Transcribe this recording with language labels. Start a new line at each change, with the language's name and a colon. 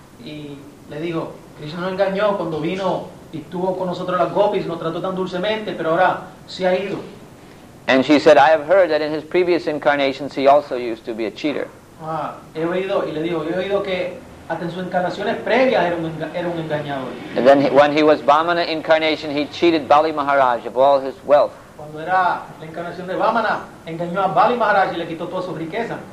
Spanish: Y le dijo, Krishna nos engañó cuando vino y estuvo con nosotros las gopis, nos trató tan dulcemente, pero ahora se ha ido.
English: And she said, I have heard that in his previous incarnations he also used to be a cheater.
Spanish: He oído, y le digo, he oído que Hasta en sus encarnaciones previas era un engañador.
English: And then when he was Vamana incarnation, he cheated Bali Maharaj of all his wealth.
Spanish: Cuando era la encarnación de Vamana, engañó a Bali Maharaj y le quitó toda su riqueza.